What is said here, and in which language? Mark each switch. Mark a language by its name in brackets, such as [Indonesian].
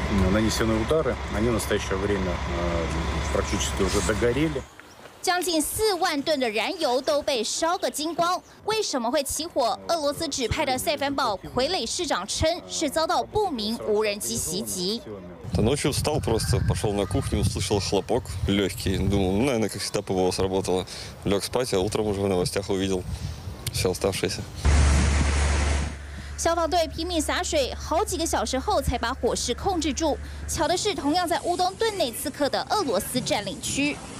[Russian] нанесены удары, они в настоящее время практически уже догорели. [Chinese] 将近40,000吨的燃油都被烧个精光，为什么会起火？俄罗斯指派的塞凡堡傀儡市长称是遭到不明无人机袭击。 [Russian] Ночью встал просто, пошел на кухню, услышал хлопок легкий. Думал, ну, наверное, как всегда ПВО сработало. Лег спать, а утром уже в новостях увидел все оставшиеся. [Chinese] 消防队拼命洒水，好几个小时后才把火势控制住。巧的是，同样在乌东顿内刺客的俄罗斯占领区。